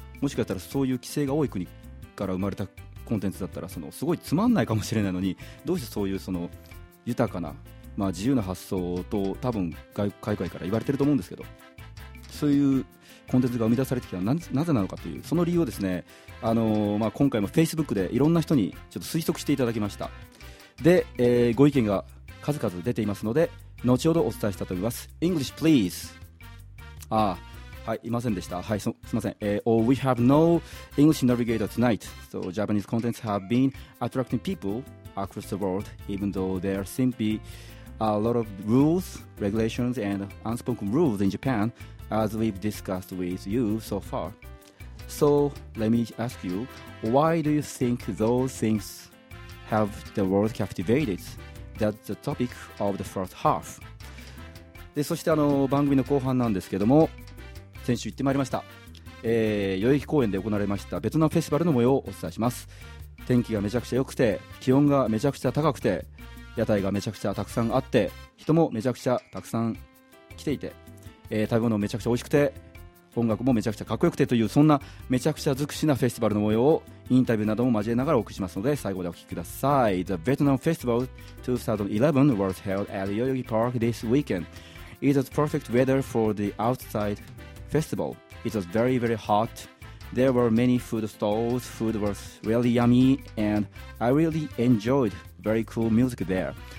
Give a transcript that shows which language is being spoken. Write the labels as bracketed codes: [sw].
[ja] もしかしたらそういう規制が多い国から生まれたコンテンツだったら、そのすごいつまんないかもしれないのに、どうしてそういうその豊かな、自由な発想と、多分海外から言われてると思うんですけど、そういうコンテンツが生み出されてきたのは なぜなのかという、その理由をですね、今回も Facebook でいろんな人にちょっと推測していただきました。で、ご意見が数々出ていますので、後ほどお伝えしたと思います。 [en] English please。 [ja] はい、いませんでした。はい、すいません。 [en] We have no English navigator tonight, so Japanese contents have been attracting people across the world, even though there are simply a lot of rules, regulations and unspoken rules in Japanas we've discussed with you so far. So let me ask you, why do you think those things have the world captivated? That's the topic of the first half. [ja] で、そして番組の後半なんですけども、先週行ってまいりました、代々木公園で行われましたベトナムフェスティバルの模様をお伝えします。天気がめちゃくちゃ良くて、気温がめちゃくちゃ高くて、屋台がめちゃくちゃたくさんあって、人もめちゃくちゃたくさん来ていて、食べ物めちゃくちゃ美味しくて、音楽もめちゃくちゃかっこよくてという、そんなめちゃくちゃ尽くしなフェスティバルの模様をインタビューなども交えながらお送りしますので、最後までお聞きください。 [en] The Vietnam Festival 2011 was held at Yoyogi Park this weekend. It was perfect weather for the outside festival. It was very very hot. There were many food stalls. Food was really yummy and I really enjoyed very cool music there.